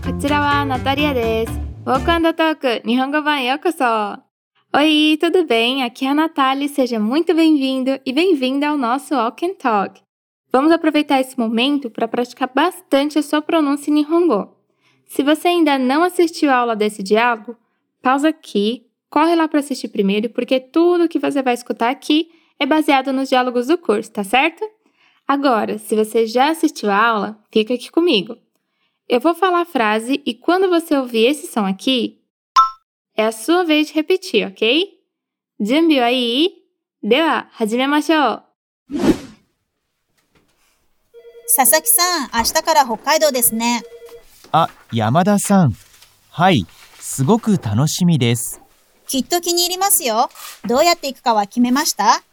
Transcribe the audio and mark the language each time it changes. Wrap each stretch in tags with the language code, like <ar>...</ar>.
<ja>こちらはナタリアです。ウォーク&トーク日本語版へようこそ。</ja> <pt>Oi, tudo bem? Aqui é a Natália. Seja muito bem-vindo e bem-vinda ao nosso Walk and Talk. Vamos aproveitar esse momento para praticar bastante a sua pronúncia em Nihongo. Se você ainda não assistiu a aula desse diálogo, pausa aqui, corre lá para assistir primeiro, porque tudo que você vai escutar aqui é baseado nos diálogos do curso, tá certo? Agora, se você já assistiu a aula, fica aqui comigo. Eu vou falar a frase e quando você ouvir esse som aqui, é a sua vez de repetir, ok? 準備 aí?</pt> <ja>Deu a, 始めましょう! Sasaki-san, 明日から北海道ですね。山田さん。はい、 すごく楽しみです。きっと気に入りますよ。どうやって行くかは決めました?</ja>